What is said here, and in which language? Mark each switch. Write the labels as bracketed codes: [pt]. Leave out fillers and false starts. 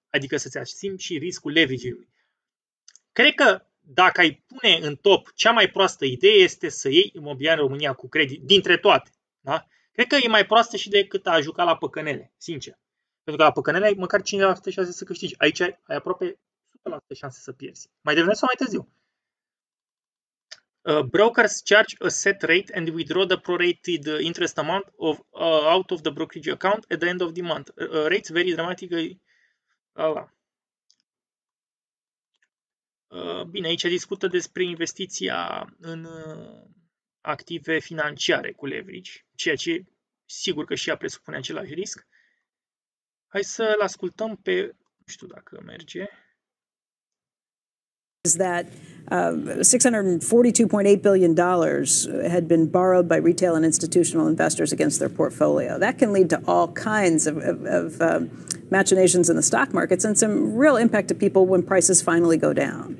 [ro] Adică să-ți asumi și riscul leverage-ului. Cred că dacă ai pune în top cea mai proastă idee este să iei imobiliar în România cu credit, dintre toate. Da? Cred că e mai proastă și decât a juca la păcănele, sincer. Pentru că la păcănele ai măcar 5% șanse să câștigi. Aici ai aproape 100% șanse să pierzi. Mai devreme sau mai târziu. [en] Brokers charge a set rate and withdraw the prorated interest amount of out of the brokerage account at the end of the month. Rates vary dramatically. [ro] Bine, aici discută despre investiția în active financiare cu leverage, ceea ce sigur că și ea presupune același risc. Hai să-l ascultăm pe, nu știu dacă merge. [en] Is that $642.8 billion had been borrowed by retail and institutional investors against their portfolio. That can lead to all kinds of machinations in the stock markets and some real impact to people when prices finally go down.